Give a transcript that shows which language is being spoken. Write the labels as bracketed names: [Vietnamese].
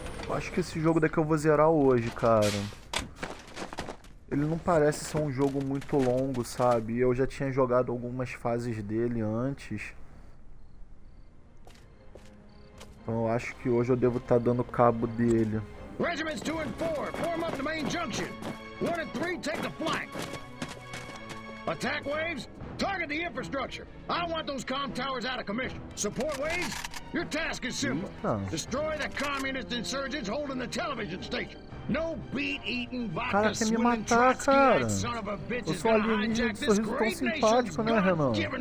[Portuguese] Acho que esse jogo daqui eu vou zerar hoje, cara. Ele não parece ser um jogo muito longo, sabe? Eu já tinha jogado algumas fases dele antes. Então eu acho que hoje eu devo estar dando cabo dele. [English] Regiments 2 and 4, form up the main junction. 1 and 3, take the flank. Attack waves, target the infrastructure. I want those comm towers out of commission. Support waves, your task is simple. Destroy the communist insurgents holding the television station. No beat eaten vodka [Portuguese] cara, quer me matar, cara. [English] Son of a [Portuguese] Eu sou alienígena de sorriso tão simpático, né, Renan?